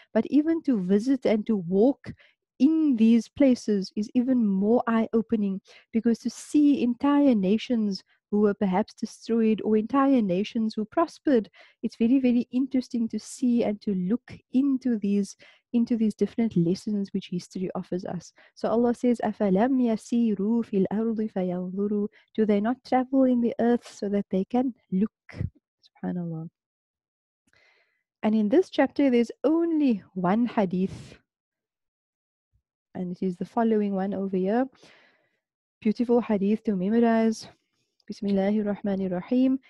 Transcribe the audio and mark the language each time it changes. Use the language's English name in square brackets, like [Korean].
[English] But even to visit and to walk in these places is even more eye-opening, because to see entire nations who were perhaps destroyed or entire nations who prospered, it's very, very interesting to see and to look into these different lessons which history offers us. So Allah says, [Arabic] أَفَلَمْ يَسِيرُوا فِي الْأَرْضِ فَيَنْظُرُوا. [English] Do they not travel in the earth so that they can look? SubhanAllah. And in this chapter, there's only one hadith, and it is the following one over here. Beautiful hadith to memorize. Bismillahir Rahmanir Rahim.